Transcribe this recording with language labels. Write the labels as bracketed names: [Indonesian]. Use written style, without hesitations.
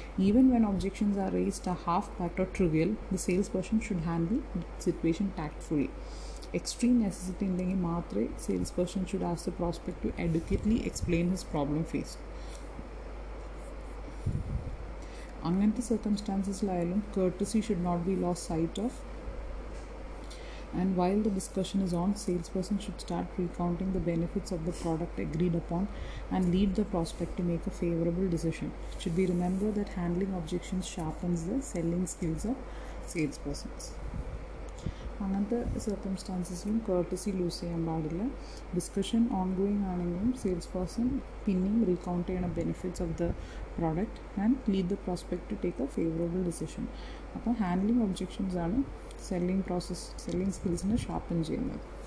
[English] Even when objections are raised a half part or trivial, the sales person should handle situation tactfully. Extreme necessity [Malayalam] ഉണ്ടെങ്കിൽ മാത്രമേ [English] Sales person should ask the prospect to adequately explain his problem face. [Malayalam] അങ്ങനത്തെ [English] സർക്കംസ്റ്റാൻസസിലായാലും courtesy should not be lost sight of. And while the discussion is on, salesperson should start recounting the benefits of the product agreed upon and lead the prospect to make a favorable decision. It should be remembered that handling objections sharpens the selling skills of salespersons. [Malayalam] അങ്ങനത്തെ സർക്കംസ്റ്റാൻസസിലും courtesy loose ചെയ്യാൻ പാടില്ല. [English] discussion ongoing [Malayalam] ആണെങ്കിലും [English] sales person [Malayalam] പിന്നെയും [English] Recount ചെയ്യണം benefits of the product and lead the prospect to take a favourable decision. [Malayalam] അപ്പോൾ handling objections ആണ് selling process, selling സ്കിൽസിനെ sharpen ചെയ്യുന്നത്.